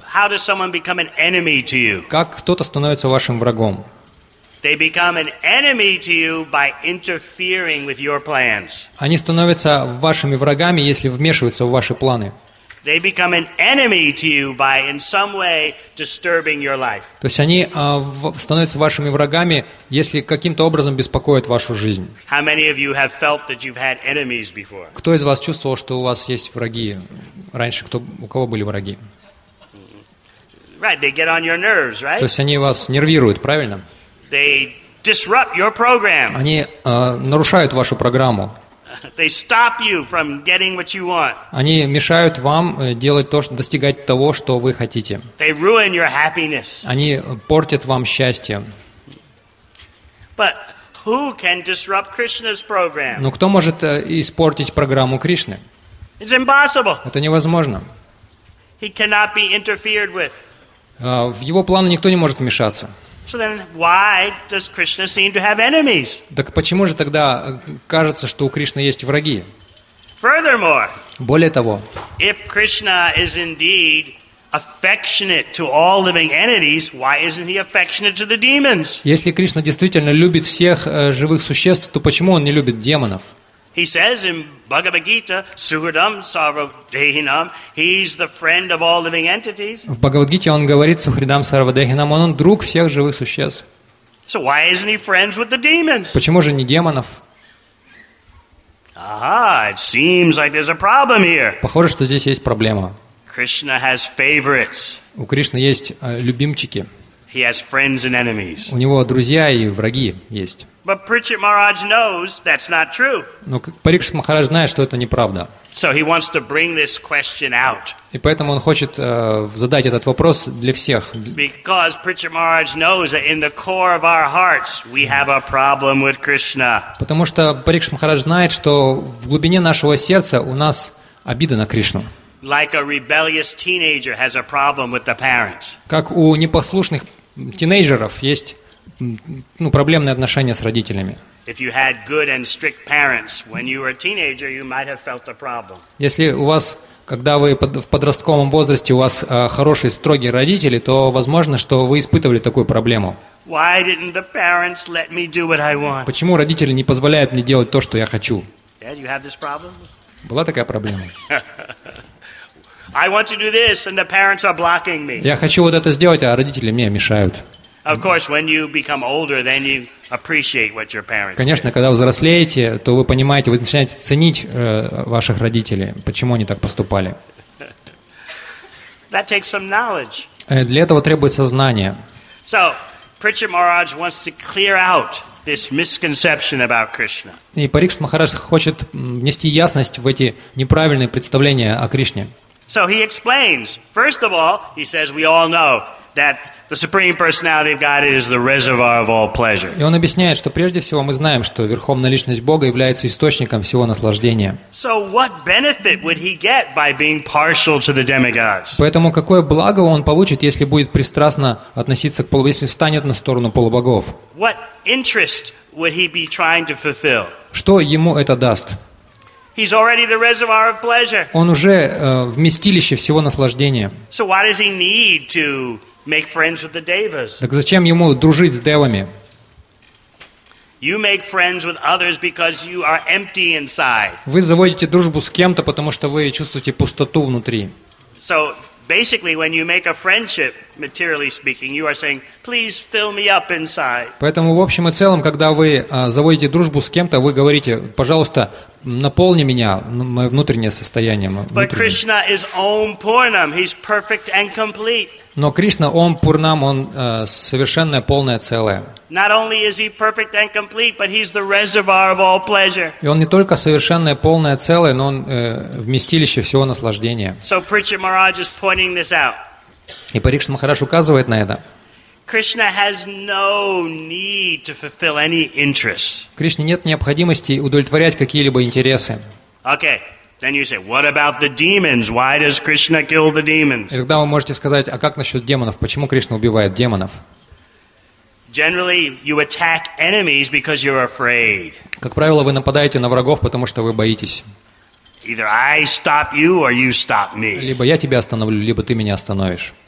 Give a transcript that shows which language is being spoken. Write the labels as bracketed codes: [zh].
[en] How does someone become an enemy to you? [ru] Как кто-то становится вашим врагом? [en] They become an enemy to you by interfering with your plans. [ru] Они становятся вашими врагами, если вмешиваются в ваши планы. [en] They become an enemy to you by in some way disturbing your life. [ru] То есть они становятся вашими врагами, если каким-то образом беспокоят вашу жизнь. [en] How many of you have felt that you've had enemies before? [ru] Кто из вас чувствовал, что у вас есть враги раньше, кто у кого были враги? [en] Right, they get on your nerves, right? [ru] То есть они вас нервируют, правильно? [en] They disrupt your program. [ru] Они нарушают вашу программу. [en] They stop you from getting what you want. [ru] Они мешают вам делать то, что, достигать того, что вы хотите. [en] They ruin your happiness. [ru] Они портят вам счастье. [en] But who can disrupt Krishna's program? [ru] Но кто может испортить программу Кришны? [en] It's impossible. [ru] Это невозможно. [en] He cannot be interfered with. [ru] В его планы никто не может вмешаться. [en] So then, why does Krishna seem to have enemies? [ru] Так почему же тогда кажется, что у Кришны есть враги? [en] Furthermore, [ru] более того, [en] if Krishna is indeed affectionate to all living entities, why isn't he affectionate to the demons? [ru] Если Кришна действительно любит всех живых существ, то почему он не любит демонов? [en] He says in Bhagavad Gita, [sa] Suhridam Sarvadehinam, [en] he's the friend of all living entities. [ru] В Бхагавад Гите он говорит [sa] Сухридам Сарвадехинам, [ru] он друг всех живых существ. [en] So why isn't he friends with the demons? [ru] Почему же не демонов? [en] It seems like there's a problem here. [ru] Похоже, что здесь есть проблема. [en] Krishna has favorites. [ru] У Кришны есть любимчики. [en] He has friends and enemies. [ru] У него друзья и враги есть. [en] But Parikshit Maharaj knows that's not true. [ru] Но Парикшит Махарадж знает, что это неправда. [en] So he wants to bring this question out. [ru] И поэтому он хочет задать этот вопрос для всех. [en] Because Parikshit Maharaj knows that in the core of our hearts we have a problem with Krishna. [ru] Потому что Парикшит Махарадж знает, что в глубине нашего сердца у нас обида на Кришну. [en] Like a rebellious teenager has a problem with the parents. [ru] Как у непослушных тинейджеров есть проблемные отношения с родителями. [en] If you had good and strict parents when you were a teenager, you might have felt a problem. [ru] Если у вас, когда вы в подростковом возрасте, у вас хорошие, строгие родители, то возможно, что вы испытывали такую проблему. [en] Why didn't the parents let me do what I want? [ru] Почему родители не позволяют мне делать то, что я хочу? [en] Dad, you have this problem? [ru] Была такая проблема. [en] I want to do this, and the parents are blocking me. [ru] Я хочу вот это сделать, а родители мне мешают. [en] Of course, when you become older, then you appreciate what your parents. [ru] Конечно, когда взрослеете, то вы понимаете, вы начинаете ценить ваших родителей, почему они так поступали. [en] That takes some knowledge. [ru] Для этого требуется знание. [en] So, Parikshit Maharaj wants to clear out this misconception about Krishna. [ru] И Парикшит Махарадж хочет внести ясность в эти неправильные представления о Кришне. [en] So he explains. First of all, he says we all know that the Supreme Personality of God is the reservoir of all pleasure. [ru] И он объясняет, что прежде всего мы знаем, что Верховная Личность Бога является источником всего наслаждения. [en] So what benefit would he get by being partial to the demigods? [ru] Поэтому какое благо он получит, если будет пристрастно относиться к полубогам, если встанет на сторону полубогов? [en] What interest would he be trying to fulfill? [ru] Что ему это даст? [en] He's already the reservoir of pleasure. [ru] Он уже вместилище всего наслаждения. [en] So why does he need to make friends with the devas? [ru] Так зачем ему дружить с девами? [en] You make friends with others because you are empty inside. [ru] Вы заводите дружбу с кем-то, потому что вы чувствуете пустоту внутри. [en] So basically, when you make a friendship, materially speaking, you are saying, "Please fill me up inside." [ru] Поэтому в общем и целом, когда вы заводите дружбу с кем-то, вы говорите, пожалуйста, наполни меня, мое внутреннее состояние. [en] But Krishna is Om Purnam. He's perfect and complete. [ru] Но Кришна, Ом Пурнам, Он совершенное, полное, целое. И Он не только совершенное, полное, целое, но Он вместилище всего наслаждения. [en] So Parikshit Maharaj is pointing this out. [ru] И Парикшит Махарадж указывает на это. [en] Krishna has no need to fulfill any interests. [ru] Кришне нет необходимости удовлетворять какие-либо интересы. [en] Okay, Then you say, what about the demons? Why does Krishna kill the demons? [ru] И тогда вы можете сказать, а как насчет демонов? Почему Кришна убивает демонов? [en] Generally, you attack enemies because you're afraid. [ru] Как правило, вы нападаете на врагов, потому что вы боитесь. [en] Either I stop you or you stop me. [ru] Либо я тебя остановлю, либо ты меня остановишь.